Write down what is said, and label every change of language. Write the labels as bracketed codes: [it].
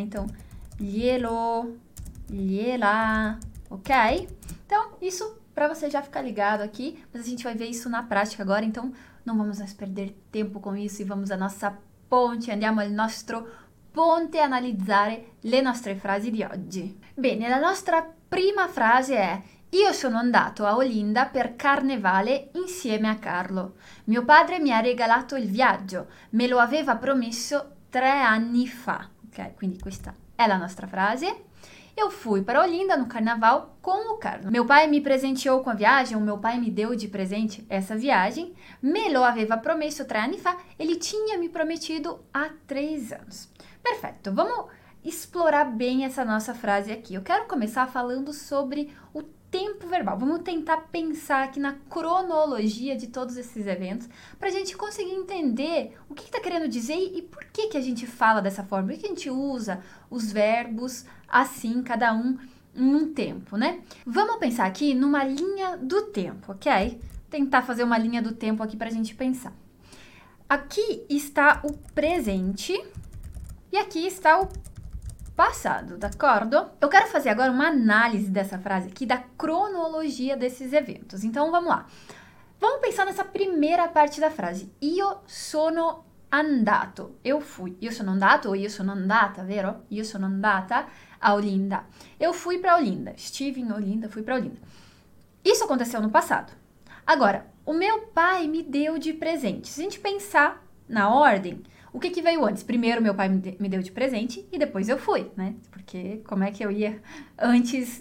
[pt] Então, lhelo, lhela, ok? Então, isso para você já ficar ligado aqui, mas a gente vai ver isso na prática agora, então não vamos mais perder tempo com isso e vamos à nossa ponte, [it] andiamo al nostro ponte a analizzare le nostre frasi di oggi. Bene, la nostra prima frase è: io sono andato a Olinda per carnevale insieme a Carlo. Mio padre mi ha regalato il viaggio, me lo aveva promesso 3 anni fa. Ok, quindi questa è la nostra frase. [pt] Eu fui para Olinda no carnaval com o Carlo. Meu pai me presenteou com a viagem, o meu pai me deu de presente essa viagem. [it] Me lo aveva promesso 3 anni fa, [pt] ele tinha me prometido há 3 anos. Perfeito, vamos explorar bem essa nossa frase aqui. Eu quero começar falando sobre o tempo verbal. Vamos tentar pensar aqui na cronologia de todos esses eventos para a gente conseguir entender o que está querendo dizer e por que que a gente fala dessa forma, por que que a gente usa os verbos assim, cada um num tempo, né? Vamos pensar aqui numa linha do tempo, ok? Tentar fazer uma linha do tempo aqui para a gente pensar. Aqui está o presente. E aqui está o passado, d'acordo? Eu quero fazer agora uma análise dessa frase aqui, da cronologia desses eventos. Então, vamos lá. Vamos pensar nessa primeira parte da frase. [it] Io sono andato. [pt] Eu fui. [it] Io sono andato ou io sono andata, vero? Io sono andata a Olinda. [pt] Eu fui para Olinda. Estive em Olinda, fui para Olinda. Isso aconteceu no passado. Agora, o meu pai me deu de presente. Se a gente pensar na ordem, o que, que veio antes? Primeiro meu pai me deu de presente e depois eu fui, né? Porque como é que eu ia antes?